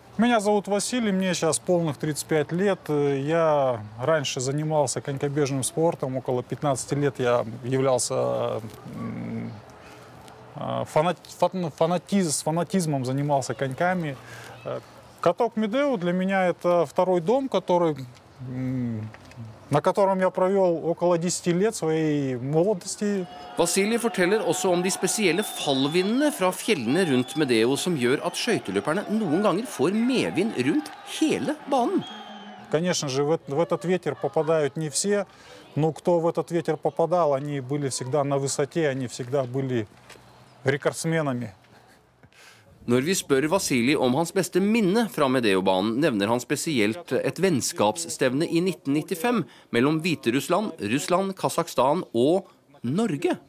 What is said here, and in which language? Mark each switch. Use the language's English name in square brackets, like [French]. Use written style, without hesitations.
[Russian] Меня зовут Василий, мне сейчас полных 35 лет. Я раньше занимался конькобежным спортом, около 15 лет я являлся фанатизмом занимался коньками. Каток Медео для меня это второй дом, на котором я провел около 10 лет своей молодости. [Norwegian] Василий forteller også om de spesielle fallvindene fra fjellene rundt Медео, som gjør at skøyteløperne noen ganger får medvind rundt hele banen. [Russian] Конечно же, в этот ветер попадают не все, но кто в этот ветер попадал, они были всегда на высоте, они всегда были [Norwegian] rekordsmennene. Når vi spør Vasili om hans beste minne fra Medeobanen, nevner han spesielt et vennskapsstevne i 1995 mellom Hviterussland, Russland, Kasakhstan og Norge.